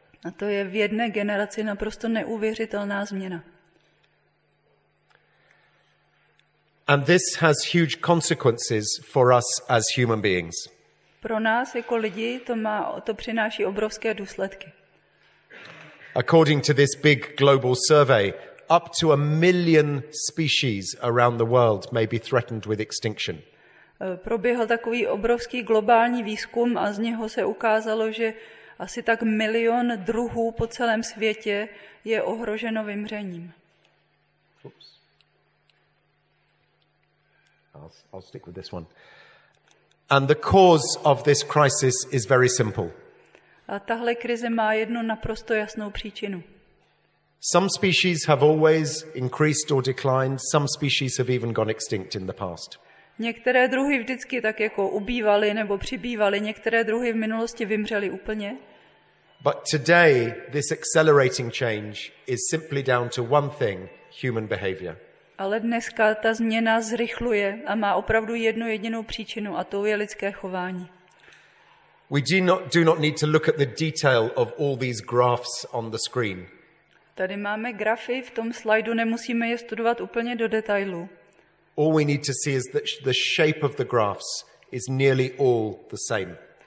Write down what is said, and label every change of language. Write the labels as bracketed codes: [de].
[cs] A to je v jedné generaci naprosto neuvěřitelná změna. [en] And this has huge consequences for us as human beings. [cs] Pro nás jako lidi to přináší obrovské důsledky. [en] According to this big global survey, up to 1 million species around the world may be threatened with extinction. [cs] Proběhl takový obrovský globální výzkum a z něho se ukázalo, že asi tak 1 milion druhů po celém světě je ohroženo vymřením. [en] I'll stick with this one. And the cause of this crisis is very simple. [cs] A tahle krize má jednu naprosto jasnou příčinu. [en] Some species have always increased or declined, some species have even gone extinct in the past. [cs] Některé druhy vždycky tak jako ubývaly nebo přibývaly, některé druhy v minulosti vymřely úplně. [en] But today this accelerating change is simply down to one thing, human behavior. [cs] Ale dneska ta změna zrychluje a má opravdu jednu jedinou příčinu a to je lidské chování. [en] We do not need to look at the detail of all these graphs on the screen. [cs] Tady máme grafy v tom slajdu, nemusíme je studovat úplně do detailu. [en] All we need to see is that the shape of the graphs is nearly all the same.